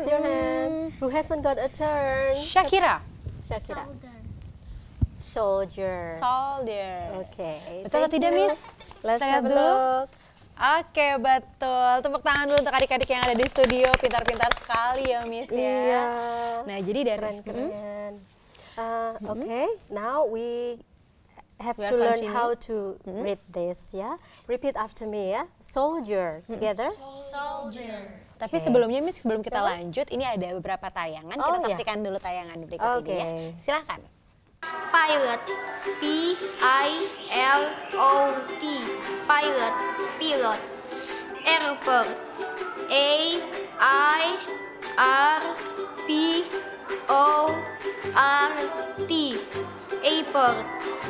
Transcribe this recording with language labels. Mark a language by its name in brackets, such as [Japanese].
[English] Raise your hand. Who hasn't got a turn? Shakira. Soldier. Okay. [Indonesian] Betul atau tidak, Miss? [English] Let's have a look. [Indonesian] Oke, betul. Tepuk tangan dulu untuk adik-adik yang ada di studio. Pintar-pintar sekali ya, Miss. Iya. Nah, jadi dari... Keren-keren. [English] Okay, now we have to learn how to read this, ya. Repeat after me, ya. Soldier, together. Soldier. [Indonesian] Tapi sebelumnya, Miss, sebelum kita lanjut, ini ada beberapa tayangan. Kita saksikan dulu tayangan berikut ini, ya. Silakan. [English] Pilot, P-I-L-O-T, pilot, pilot. Airport, A-I-R-P-O-R-T, airport.